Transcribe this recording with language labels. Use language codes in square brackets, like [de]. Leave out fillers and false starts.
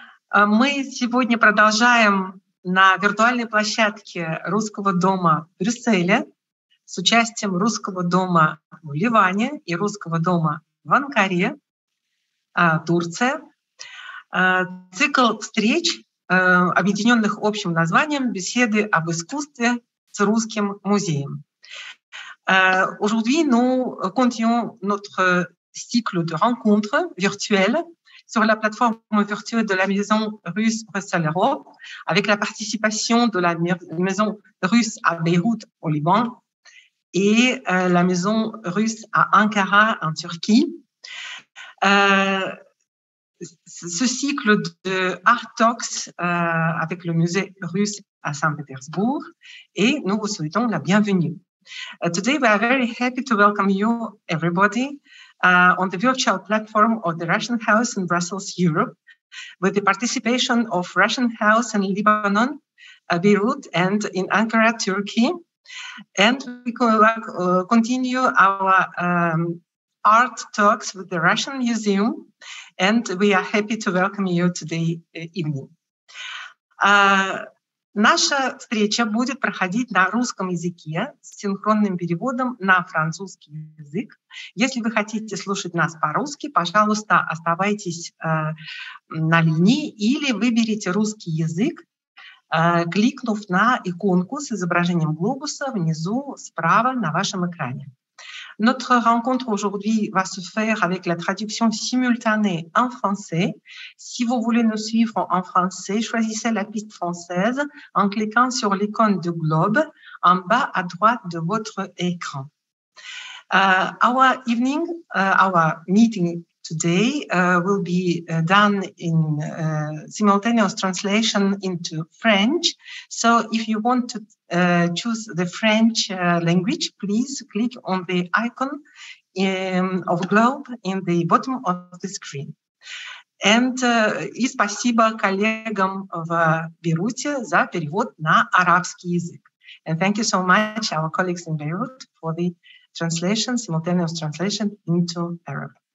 [ru] Мы сегодня продолжаем на виртуальной площадке Русского дома в Брюсселе с участием Русского дома в Ливане и Русского дома в Анкаре, Турция. Цикл встреч, объединенных общим названием «Беседы об искусстве с русским музеем». [fr] Aujourd'hui, nous continuons notre cycle de rencontres virtuelles sur la plateforme virtuelle de la Maison russe Bruxelles Europe, avec la participation de la Maison russe à Beyrouth au Liban et la Maison russe à Ankara en Turquie. Ce cycle de Art Talks avec le musée russe à Saint-Pétersbourg, et nous vous souhaitons la bienvenue. [en] Today we are very happy to welcome you, everybody, on the virtual platform of the Russian House in Brussels, Europe, with the participation of Russian House in Lebanon, Beirut, and in Ankara, Turkey. And we continue our art talks with the Russian Museum, and we are happy to welcome you today evening. [ru] Наша встреча будет проходить на русском языке с синхронным переводом на французский язык. Если вы хотите слушать нас по-русски, пожалуйста, оставайтесь на линии или выберите русский язык, кликнув на иконку с изображением глобуса внизу справа на вашем экране. [fr] Notre rencontre aujourd'hui va se faire avec la traduction simultanée en français. Si vous voulez nous suivre en français, choisissez la piste française en cliquant sur l'icône de globe en bas à droite de votre écran. [en] Our meeting today will be done in simultaneous translation into French. So if you want to choose the French language, please click on the icon of globe in the bottom of the screen. And [ru] и спасибо коллегам в Бейруте за перевод на арабский язык. [en] And thank you so much our colleagues in Beirut for the translation, simultaneous translation into Arabic.